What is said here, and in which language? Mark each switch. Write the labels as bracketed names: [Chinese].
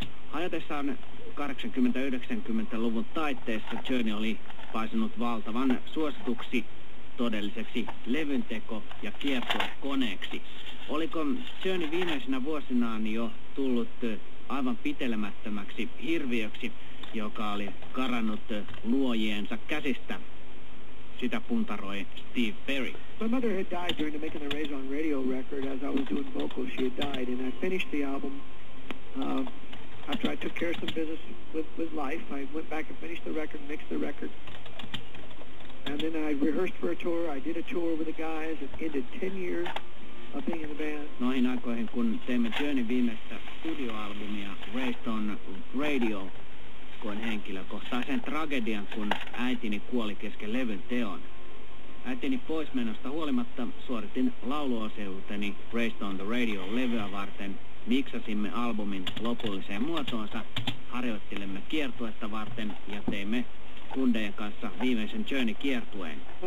[Finnish] Hajatessaan 80-90-luvun taitteessa Journey oli paisunut valtavan suosituksi todelliseksi levynteko- ja kiertuekoneeksi. Oliko Journey viimeisinä vuosinaan jo tullut aivan pitelemättömäksi hirviöksi, joka oli karannut luojiensa käsistä? Sitä puntaroi Steve Perry. [English] My mother had died during the making of the Raison Radio record. As I was doing vocals, she had died. And I finished the album after I took care of some business with life. I went back and finished the record, mixed the record. And then I rehearsed for a tour. I did a tour with the guys. It ended 10 years. [Finnish] Noihin aikoihin, kun teimme Journeyn viimeistä studioalbumia Raston Radio, koin henkilökohtaisen tragedian, kun äitini kuoli kesken levyn teon. Äitini poismenosta huolimatta suoritin lauluosioiteni Raston the Radio-levyä varten, miksasimme albumin lopulliseen muotoonsa, harjoittelemme kiertuetta varten ja teimme kundejen kanssa viimeisen Journey-kiertueen.